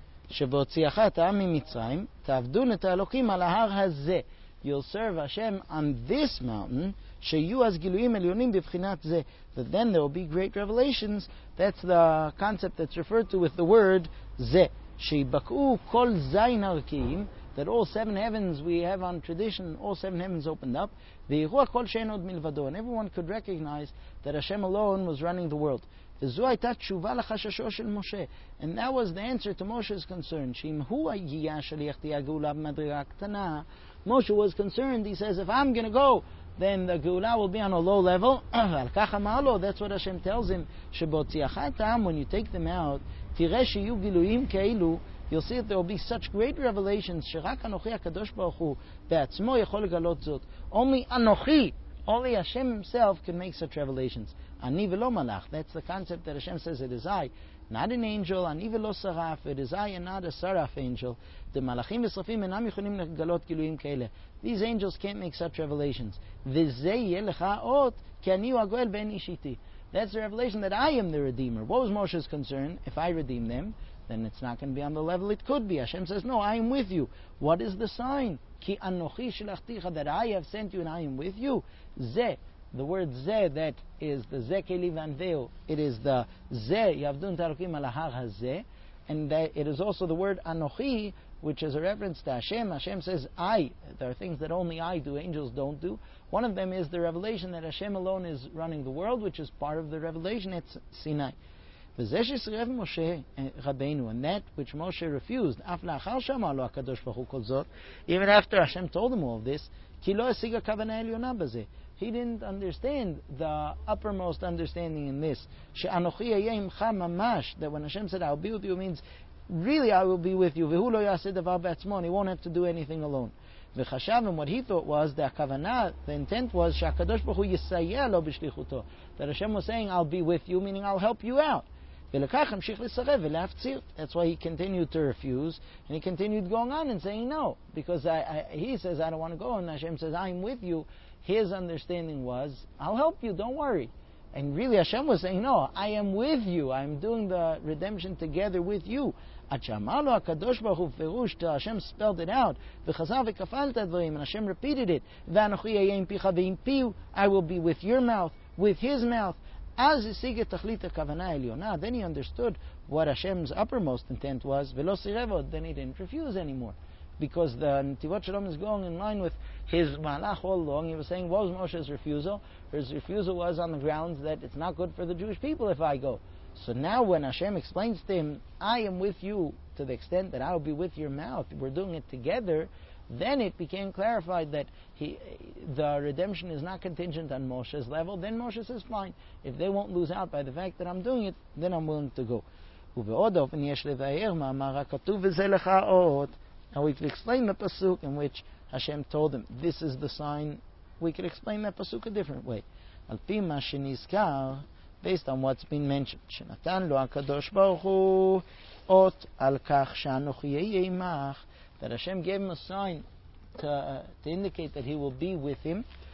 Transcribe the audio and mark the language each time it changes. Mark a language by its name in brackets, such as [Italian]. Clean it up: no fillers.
[Hebrew] שבהוציאך את העם ממצרים, תעבדון את האלוקים על ההר הזה. [English] You'll serve Hashem on this mountain, [Hebrew] שיהיו אז גילויים עליונים בבחינת זה. [English] But then there will be great revelations. That's the concept that's referred to with the word זה. [Hebrew] שיבקעו כל זין ערכיים, [English] that all seven heavens we have on tradition, all seven heavens opened up. [Hebrew] ויראו הכל שאין עוד מלבדו. [English] And everyone could recognize that Hashem alone was running the world. [Hebrew] וזו הייתה תשובה לחששו של משה. [English] And that was the answer to Moshe's concern. [Hebrew] שאם הוא הגיע השליח תהיה גאולה במדרגה קטנה. [English] Moshe was concerned. He says, if I'm going to go, then the גאולה will be on a low level. [Hebrew] אבל כך אמר לו, [English] that's what Hashem tells him, [Hebrew] שבהוציאך את העם, [English] when you take them out, [Hebrew] תראה שיהיו גילויים כאלו, [English] you'll see that there will be such great revelations, [Hebrew] שרק אנוכי הקדוש ברוך הוא, בעצמו יכול לגלות זאת. [English] Only אנוכי, only Hashem himself can make such revelations. [Hebrew] Ani velo malach. [English] That's the concept that Hashem says it is I, not an angel. [Hebrew] Ani velo saraf. [English] It is I and not a saraf angel. The [Hebrew] malachim v'srafim enam yichonim negalot kiluim keile. [English] These angels can't make such revelations. [Hebrew] V'zei yelecha ot ki ani uagoel ben ishiti. [English] That's the revelation that I am the redeemer. What was Moshe's concern? If I redeem them, then it's not going to be on the level it could be. Hashem says, no, I am with you. What is the sign? [Hebrew] Ki anochi shelachticha, [English] that I have sent you and I am with you. Ze. The word ze, that is the [Hebrew] ze keli vanveo. [English] It is the ze, [Hebrew] yavdun tarukim ala har haze. [English] And that it is also the word anochi, which is a reference to Hashem. Hashem says, I. There are things that only I do, angels don't do. One of them is the revelation that Hashem alone is running the world, which is part of the revelation at Sinai. [Hebrew] וזה שסרב משה רבנו, [English] and that which Moshe refused, [Hebrew] אף לאחר שאמר לו הקדוש ברוך הוא כל זאת, [English] even after Hashem told him all of this, [Hebrew] כי לא השיג הכוונה העליונה בזה. [English] He didn't understand the uppermost understanding in this, [Hebrew] שאנוכי יהיה עמך ממש, [English] that when Hashem said, I'll be with you, means, really I will be with you, [Hebrew] והוא לא יעשה דבר בעצמו, [English] and he won't have to do anything alone. [Hebrew] וחשב, [English] and what he thought was, the [Hebrew] הכוונה, [English] the intent was, [Hebrew] שהקדוש ברוך הוא יסייע לו בשליחותו. [English] That Hashem was saying, I'll be with you, meaning I'll help you out. [Hebrew] ולכך המשיך לסרב ולהפציר. [English] That's why he continued to refuse, and he continued going on and saying no, because he says, I don't want to go, and Hashem says, I'm with you. His understanding was, I'll help you, don't worry. And really Hashem was saying, no, I am with you, I'm doing the redemption together with you, [Hebrew] עד שאמר לו הקדוש ברוך הוא פירוש, השם [English] spelled it out, [Hebrew] וחזר וכפל את הדברים, [English] and השם repeated it, [Hebrew] ואנוכי יהיה עם פיך ועם פיו, [English] I will be with your mouth, with his mouth, [Hebrew] אז השיג את תכלית הכוונה העליונה, [English] then he understood what השם's uppermost intent was, [Hebrew] ולא סירב עוד, [English] then he didn't refuse anymore. Because the Netivot Shalom is going in line with his malach all along. He was saying, what was Moshe's refusal? His refusal was on the grounds that it's not good for the Jewish people if I go. So now when Hashem explains to him, I am with you to the extent that I'll be with your mouth, we're doing it together, then it became clarified that the redemption is not contingent on Moshe's level. Then Moshe says, fine, if they won't lose out by the fact that I'm doing it, then I'm willing to go. [Hebrew] ובעוד אופן יש לבאר מאמר הכתוב וזה לך עוד. [English] Now we could explain the pasuk in which Hashem told him, this is the sign. We could explain that pasuk a different way. [Hebrew] Al fi ma shenizkar, [English] based on what's been mentioned, [Hebrew] shenatan lo HaKadosh Baruch Hu ot al kach shanuchi yeimach, [English] that Hashem gave him a sign to indicate that he will be with him.